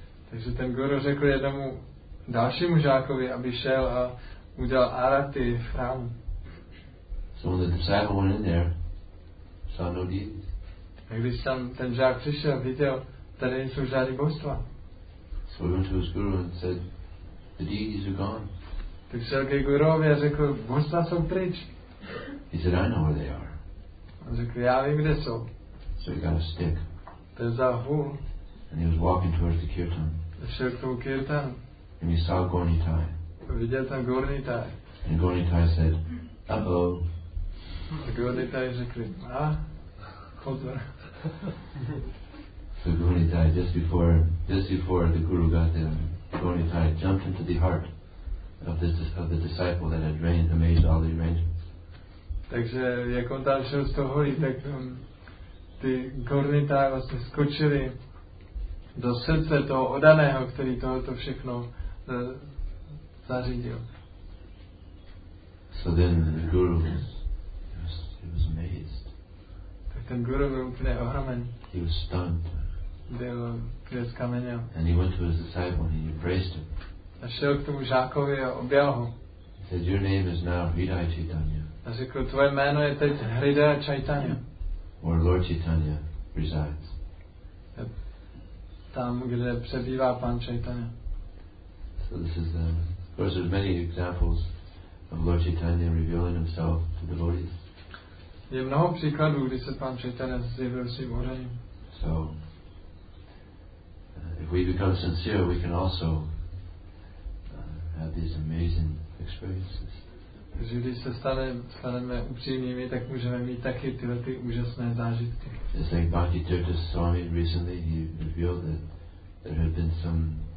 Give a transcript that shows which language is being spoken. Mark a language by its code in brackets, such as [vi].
[cs] Takže ten guru řekl jednomu dalšímu žákovi, aby šel a udělal arati v chrámu. [en] So when the disciple went in there, saw no deities. [cs] A když tam ten žák přišel, viděl, tady nejsou žádný božstva. [en] So he went to his guru and said, the deities are gone. [cs] Tak šel ke guruovi a řekl, božstva jsou pryč. [en] He said, I know where they are. [cs] A řekl, já vím, kde jsou. [en] So he got a stick. [cs] Ten vzal hůl. [en] And he was walking towards the kirtan. [cs] Šel k tomu kirtan. [en] And he saw Gornitai. [cs] Viděl tam Gornitai. [en] And Gornitai said, uh-oh. [cs] A Gornitai řekl, pozor. [en] So Gornitai, just before the guru got there, Gornitai jumped into the heart of the disciple that had made all the arrangements. [cs] Takže jak on tam šel z toho holi, tak ty Gornitai vlastně skočili do srdce toho oddaného, který tohoto všechno zařídil. [en] So then the guru was amazed. [cs] Tak ten guru byl úplně ohromen. [en] He was stunned. [cs] Byl úplně zkamenil. [en] And he went to his disciple and he embraced him. [cs] A šel k tomu žákovi a objal ho. [en] He said, your name is now Hridaya Chaitanya. [cs] A řekl, tvoje jméno je teď Hridaya Chaitanya. [en] Where Lord Chaitanya resides. [cs] Tam, kde přebývá pán Chaitanya. [en] So this is, of course, there are many examples of Lord Chaitanya revealing himself to devotees. [cs] Je mnoho příkladů, kdy se pán Chaitanya zjevil svým oddaným. [en] So, if we become sincere, we can also have these amazing experiences. [cs] Takže když se staneme upřímnými, tak můžeme mít taky tyhle ty úžasné zážitky. [en] Just like Bhakti Tirtha Swami recently, he revealed that there had been some...